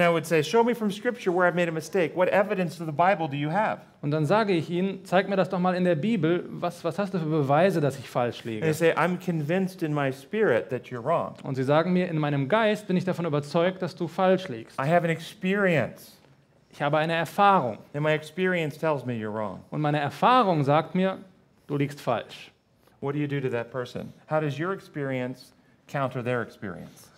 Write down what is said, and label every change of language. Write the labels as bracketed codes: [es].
[en] And I would say, show me from Scripture where I've made a mistake. What evidence of the Bible do you have? [de] Und dann sage ich ihnen, zeig mir das doch mal in der Bibel. Was hast du für Beweise, dass ich falsch liege? [en] And they say, I'm convinced in my spirit that you're wrong. [de] Und sie sagen mir, in meinem Geist bin ich davon überzeugt, dass du falsch liegst. [en] I have an experience. [de] Ich habe eine Erfahrung. [en] And my experience tells me you're wrong. [de] Und meine Erfahrung sagt mir, du liegst falsch. [en] What do you do to that person? How does your experience counter their experience?